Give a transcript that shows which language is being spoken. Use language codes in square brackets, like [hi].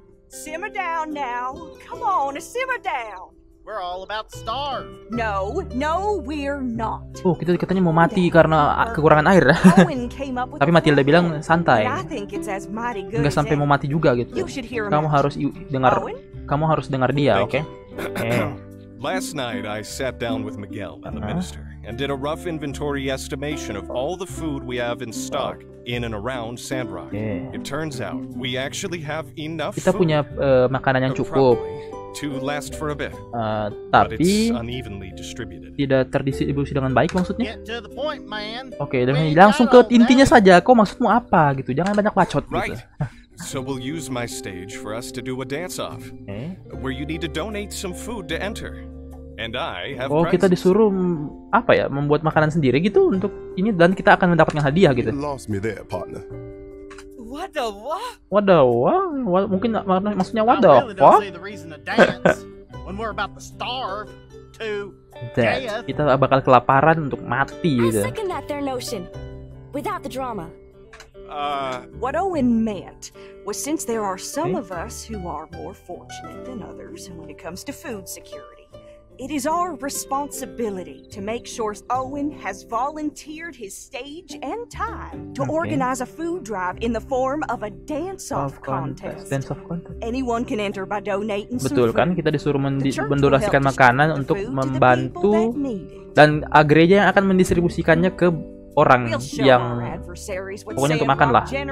[en] Simmer down now. Come on, simmer down. We're all about starved. No, no, we're not. [id] Oh, kita katanya mau mati karena kekurangan air. Tapi Matilda bilang santai. Enggak sampai mau mati juga gitu. Kamu harus dengar. Owen? Kamu harus dengar dia, oke? [en] Last night I sat down with Miguel, the minister, and did a rough inventory estimation of all the food we have in stock. In and around Sandrock. Yeah. It turns out we actually have enough. [id] Kita punya makanan yang cukup. [en] To last for a bit. Tapi unevenly distributed. [id] Tidak terdistribusi dengan baik maksudnya? Oke, okay, langsung ke intinya saja. Kok maksudmu apa gitu? Jangan banyak bacot gitu. [en] So we'll use my stage for us to do a dance off. Where you need to donate some food to enter. And I have [id] oh, kita disuruh apa ya, membuat makanan sendiri gitu untuk ini, dan kita akan mendapatkan hadiah gitu. [en] Lost me there, partner. What the what? What the what? [id] Mungkin maksudnya [en] what the what? Really the reason to dance when we're about to starve to death. [id] Kita bakal kelaparan untuk mati gitu. [en] I second that their notion without the drama. What Owen meant was since there are some of us who are more fortunate than others when it comes to food security. It is our responsibility to make sure Owen has volunteered his stage and time to organize a food drive in the form of a dance-off contest. Dance-off contest. Anyone can enter by donating some. [id] Betul kan? Kita disuruh mendonasikan makanan untuk membantu dan gereja yang akan mendistribusikannya ke orang yang pokoknya untuk makan lah.